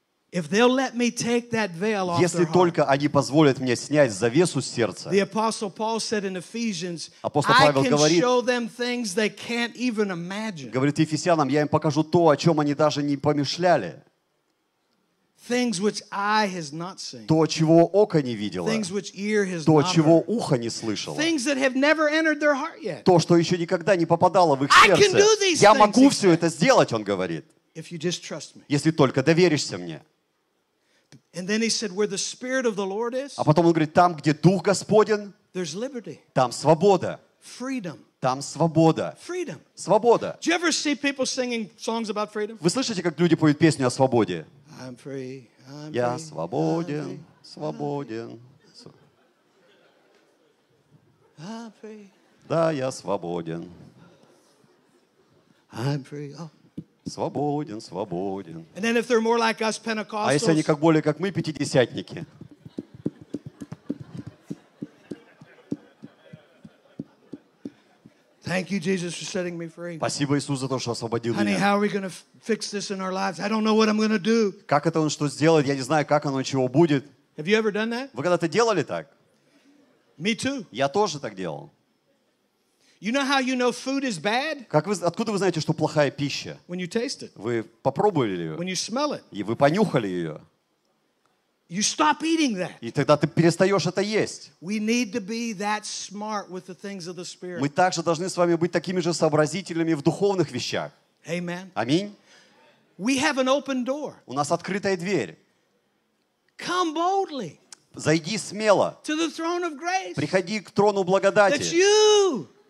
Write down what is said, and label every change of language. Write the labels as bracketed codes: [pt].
[en] If they'll let me take that veil off. [ru] Если только они позволят мне снять завесу с сердца. [en] The Apostle Paul said in Ephesians. [ru] Апостол Павел говорит. [en] I can show them things they can't even imagine. [ru] Говорит Ефесянам, я им покажу то, о чем они даже не помышляли. [en] Things which eye has not seen. [ru] То, чего око не видело. [en] Things which ear has not [ru] heard. То, чего ухо не слышало. [en] Things that have never entered their heart yet. [ru] То, что еще никогда не попадало в их сердце. [en] I can do these things. [ru] Я могу все это сделать, он говорит. [en] If you just trust me. [ru] Если только доверишься мне. [en] And then he said, where the Spirit of the Lord is. [ru] А потом он говорит, там, где Дух Господень. [en] There's liberty. [ru] Там свобода. [en] Freedom. [ru] Там свобода. [en] Freedom. [ru] Свобода. [en] Do you ever see people singing songs about freedom? [ru] Вы слышите, как люди поют песню о свободе? [en] I'm free, I'm [ru] Я [en] free, [ru] свободен, I'm свободен. [en] I'm free. [ru] Да, я свободен. [en] I'm free. Oh. [ru] Свободен, свободен. [en] And then if they're more like us, Pentecostals, [ru] а если они как более как мы, пятидесятники? [en] Thank you, Jesus, for setting me free. [ru] Спасибо, Иисус, за то, что освободил [en] Honey, Honey, how are we going to fix this in our lives? I don't know what I'm going to do. [ru] Как это он что сделает? Я не знаю, как оно чего будет. [en] Have you ever done that? [ru] Вы когда-то делали так? [en] Me too. [ru] Я тоже так делал. [en] You know how you know food is bad? [ru] Как вы, откуда вы знаете, что плохая пища? [en] When you taste it. [ru] Вы попробовали ее? [en] When you smell it. [ru] И вы понюхали ее? [en] You stop eating that. [ru] И тогда ты перестаешь это есть. [en] We need to be that smart with the things of the spirit. [ru] Мы также должны с вами быть такими же сообразительными в духовных вещах. [en] Amen. [ru] Аминь. [en] We have an open door. [ru] У нас открытая дверь. [en] Come boldly. [ru] Зайди смело. [en] To the throne of grace. [ru] Приходи к трону благодати. [en] That's you.